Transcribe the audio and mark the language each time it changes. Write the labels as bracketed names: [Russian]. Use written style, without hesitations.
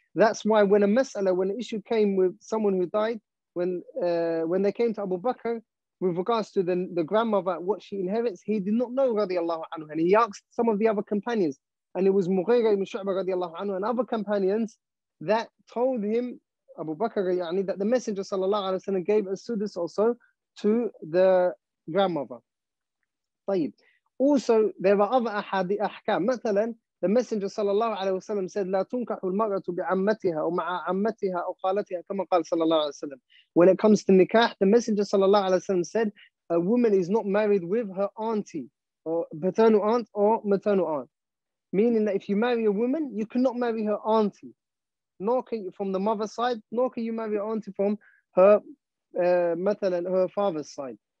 [English] That's why when a mas'ala, when an issue came with someone who died, when they came to Abu Bakr with regards to the grandmother, what she inherits, he did not know radiallahu anhu. And he asked some of the other companions, and it was Mughira ibn Shu'bah radiallahu anhu and other companions that told him, Abu Bakr, يعني, that the Messenger sallallahu alayhi wa sallam gave a sudus also to the grandmother. طيب. Also, there are other ahadi ahkam. [Arabic] مثلا, [English] the Messenger sallallahu alayhi wa sallam said, [Arabic] لَا تُنْكَحُ الْمَرَةُ بِعَمَّتِهَا وَمَعَ عَمَّتِهَا أُخَالَتِهَا كَمَا قَالَ صَلَّى اللَّهُ عَلَيْهِ وَسَلَّمْ. [English] When it comes to nikah, the Messenger sallallahu alayhi wa sallam said, a woman is not married with her auntie, or paternal aunt or maternal aunt. Meaning that if you marry a woman, you cannot marry her auntie, nor can you from the mother's side, nor can you marry your auntie from her mathalan, her father's side.